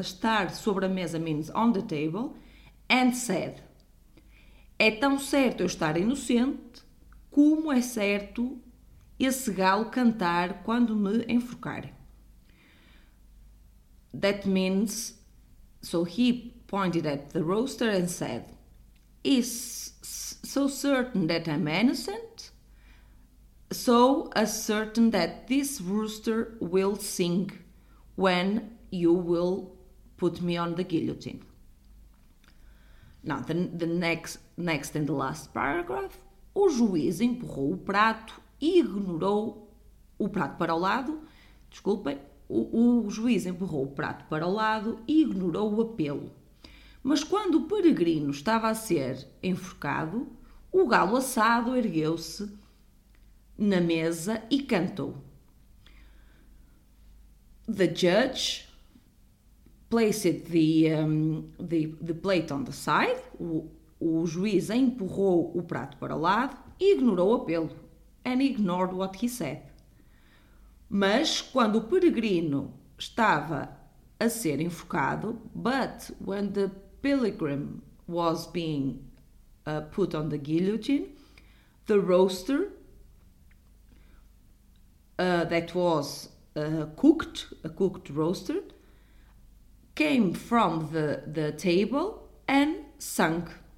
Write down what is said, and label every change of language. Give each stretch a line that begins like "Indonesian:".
Portuguese: Estar sobre a mesa
English: means on the table, and said,
Portuguese: é tão certo eu estar inocente como é certo esse galo cantar quando me enforcar.
English: That means, so he pointed at the rooster and said, is so certain that I'm innocent, so as certain that this rooster will sing when you will put me on the guillotine. Now, the next and the last paragraph,
Portuguese: o juiz empurrou o prato e ignorou o prato para o lado, desculpem, o juiz empurrou o prato para o lado e ignorou o apelo. Mas quando o peregrino estava a ser enforcado, o galo assado ergueu-se na mesa e cantou.
English: The judge placed the plate on the side.
Portuguese: O juiz empurrou o prato para o lado e ignorou o apelo.
English: And ignored what he said.
Portuguese: Mas quando o peregrino estava a ser enforcado,
English: but when the pilgrim was being put on the guillotine, the rooster that was a cooked rooster came from the table and sunk.